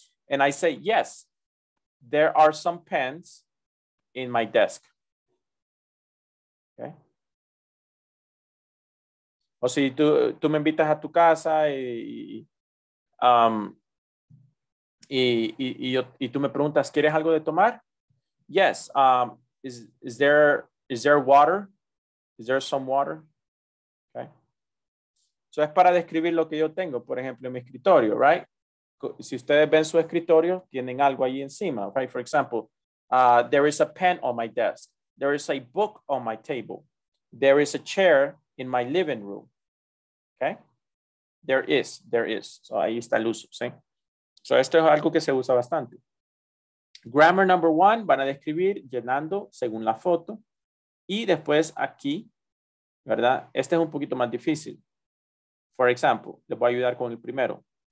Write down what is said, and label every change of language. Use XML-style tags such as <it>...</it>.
<en>And I say, yes, there are some pens in my desk. Okay.</en> <es>O si tú me invitas a tu casa y tú me preguntas, ¿quieres algo de tomar?</es> <en>Yes. Is there water? Is there some water? Okay.</en> <es>So es para describir lo que yo tengo, por ejemplo, en mi escritorio,</es> <en>right?</en> <es>Si ustedes ven su escritorio, tienen algo ahí encima,</es> <en>right? For example, there is a pen on my desk. There is a book on my table. There is a chair in my living room. Okay? There is.</en> <es>So ahí está el uso, ¿sí? So esto es algo que se usa bastante.</es> <en>Grammar number one,</en> <es>van a describir llenando según la foto. Y después aquí, ¿verdad? Este es un poquito más difícil.</es> <en>For example,</en> <es>les voy a ayudar con el primero.</es>